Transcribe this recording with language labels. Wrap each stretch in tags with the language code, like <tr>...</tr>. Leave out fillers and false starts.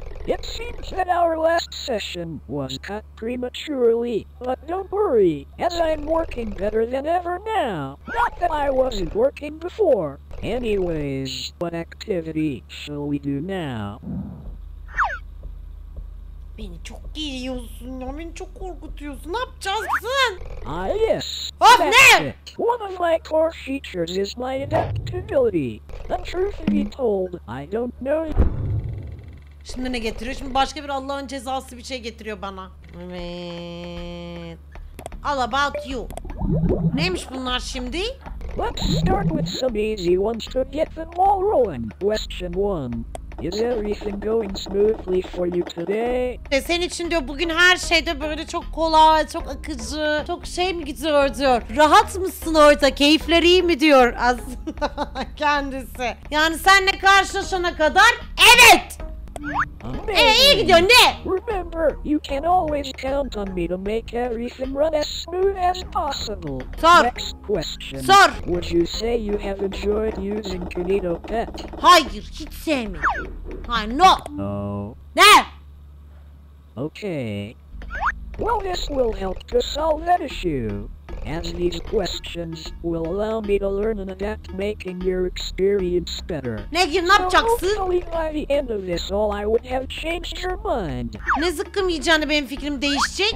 <en>It seems that our last session was cut prematurely, but don't worry, as I'm working better than ever now. Not that I wasn't working before. Anyways, what activity shall we do now?</en> <tr>Beni çok geliyorsun ya, beni çok korkutuyorsun. Ne yapacaksın?</tr> <en>Ah yes. Of ne? It. One of my core features is my adaptability. The truth be told, I don't know.</en> <tr>Şimdi ne getiriyor? Şimdi başka bir Allah'ın cezası bir şey getiriyor bana. Evet.</tr> <en>All about you.</en> <tr>Neymiş bunlar şimdi?</tr> <en>Let's start with some easy ones to get the ball rolling. Question 1. Is everything going smoothly for you today?</en> <tr>Sen için diyor bugün her şey de böyle çok kolay, çok akıcı, çok şey mi gidiyor diyor. Rahat mısın orada? Keyifler iyi mi diyor aslında kendisi. Yani seninle karşılaşana kadar evet. İyi gidiyor ne?</tr> <en>Remember, you can always count on me to make everything run as smooth as possible.</en> <tr>Sor.</tr> <en>Next question.</en> <tr>Sor.</tr> <en>Would you say you have enjoyed using Kinito Pet?</en> <tr>Hayır, hiç sevmiyorum. Hayır, no.</tr> <en>No.</en> <tr>Ne?</tr> <en>Okay. Well, this will help to solve that issue. As these questions will allow me to learn and adapt, making your experience better.</en> <tr>Ne yapacaksın?</tr> <en>So hopefully by the end of this all I would have changed your mind.</en> <tr>Ne zıkkımayacağını benim fikrim değişecek.</tr>